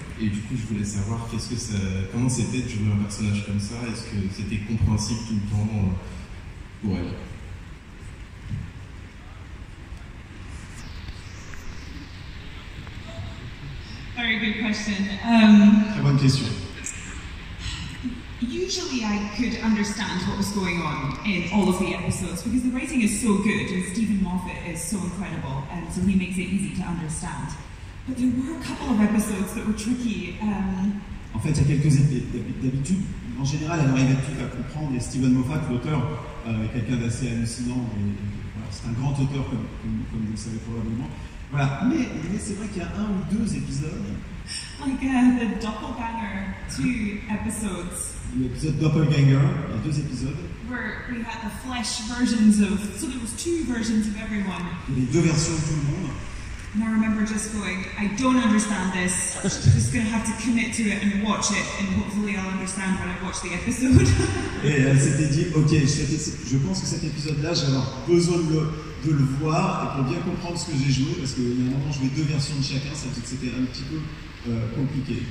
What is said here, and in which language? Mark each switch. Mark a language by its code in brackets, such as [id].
[fr] Et du coup, je voulais savoir comment c'était de jouer un personnage comme ça. Est-ce que c'était compréhensible tout le temps pour elle? [en] Very good question. [fr] Très bonne question. [en] Usually I could understand what was going on in all of the episodes because the writing is so good and Stephen Moffat is so incredible and so he makes it easy to understand. But there were a couple of episodes that were tricky. [fr] En fait, il y a quelques épisodes d'habitude. En général, elle arrive tout à comprendre et Stephen Moffat, l'auteur, est quelqu'un d'assez hallucinant. Voilà, c'est un grand auteur, comme vous le savez probablement. Voilà. Mais c'est vrai qu'il y a un ou deux épisodes. [en] Like the doppelganger, two episodes. [fr] L'épisode Doppelganger, il y a deux épisodes. [en] Where we had the flesh versions of, so there was two versions of everyone. [fr] Il y avait deux versions de tout le monde. [en] And I remember just going, I don't understand this. I'm just going to have to commit to it and watch it, and hopefully I'll understand when I watch the episode. [fr] Et elle s'était dit, ok, je pense que cet épisode-là, j'ai besoin de le voir et pour bien comprendre ce que j'ai joué, parce qu'il y a un moment, je jouais deux versions de chacun, ça fait que c'était un petit peu compliqué.